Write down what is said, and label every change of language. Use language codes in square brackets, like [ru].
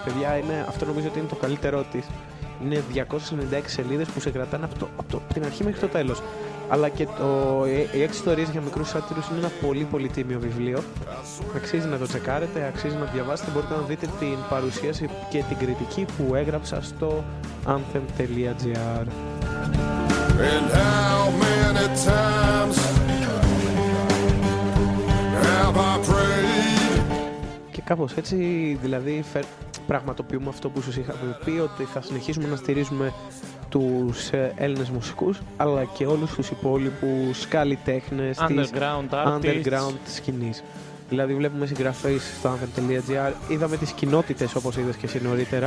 [el] Παιδιά, αυτό νομίζω ότι είναι το καλύτερό της. Είναι 296 σελίδες που σε κρατάνε από την αρχή μέχρι το τέλος. Αλλά και οι 6 ιστορίες για μικρούς σάτυρους είναι ένα πολύ πολύ τίμιο βιβλίο. Αξίζει να το τσεκάρετε, αξίζει να το διαβάσετε. Μπορείτε να δείτε την παρουσίαση και την κριτική που έγραψα στο anthem.gr. [en] And how many times have I prayed? [el] Και κάπως έτσι, δηλαδή, πραγματοποιούμε αυτό που σας είχαμε πει, ότι θα συνεχίσουμε να στηρίζουμε τους Έλληνες μουσικούς, αλλά και όλους τους υπόλοιπους καλλιτέχνες [en] underground [el] σκηνής. Δηλαδή, βλέπουμε συγγραφείς στο anthem.gr, είδαμε τις κοινότητες, όπως είδες και εσύ νωρίτερα.